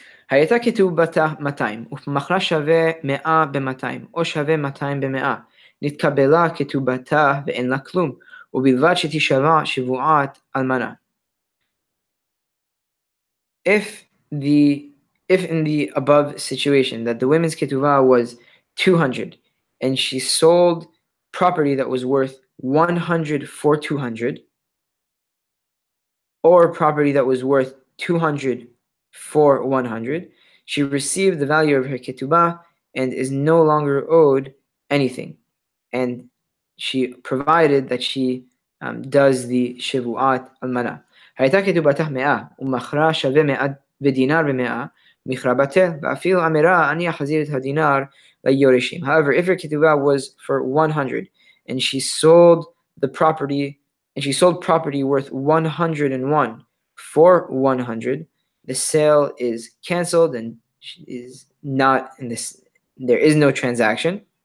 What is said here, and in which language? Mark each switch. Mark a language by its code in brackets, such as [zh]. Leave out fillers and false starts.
[he] הייתה כתובתה 200, ומכרה שווה 100 ב-200, או שווה 200 ב-100. נתקבלה כתובתה ואין לה כלום, ובלבד שתשווה שבועת אלמנה. [en] If in the above situation that the women's ketuvah was 200 and she sold property that was worth 100 for 200 or property that was worth 200 for 100, she received the value of her ketuvah and is no longer owed anything. And she provided that she does the shivuat almana. [he] הייתה כתובתה 100 ומכרה שווה 100 ודינר ב-100, מכרה בטל, ואפילו אמירה אני אחזיר את הדינר ליורשים. [en] However, if her ketubah was for 100 and she sold the property and she sold property worth 101 for 100, the sale is canceled and she is not in this, there is no transaction.